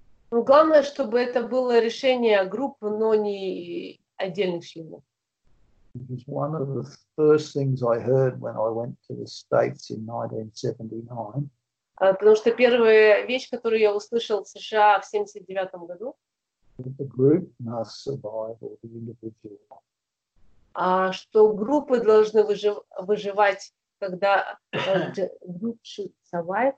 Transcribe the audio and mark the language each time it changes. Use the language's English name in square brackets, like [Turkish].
[Russian] Главное, чтобы это было решение группы, но не отдельных членов. [English] It was one of the first things I heard when I went to the States in 1979. [Russian] Потому что первая вещь, которую я услышал в США в 79 году. [English] The group must survive or the individual. [Russian] Что группы должны выживать, когда [English] group should survive.